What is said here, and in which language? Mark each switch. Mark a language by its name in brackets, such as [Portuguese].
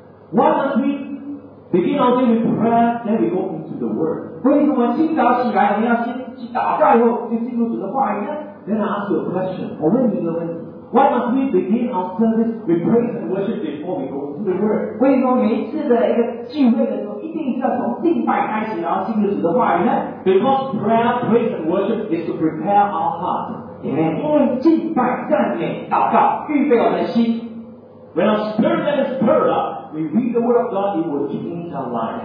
[English] Why don't we begin our day with prayer, then we go into the word? [Chinese] 为什么清早起来，我们要先去祷告以后，就进入主的话语呢？ [English] Then I ask you a question. Why must we begin our service with praise and worship before we go to the Word? [Chinese] 为什么每一次的一个聚会的时候，一定是要从敬拜开始，然后进入主的话语呢？ [English] Because prayer, praise, and worship is to prepare our heart. Amen. [Chinese] 因为敬拜、赞美、祷告，预备我们的心。 [English] When our spirit is stirred up, we read the Word of God, it will change our life.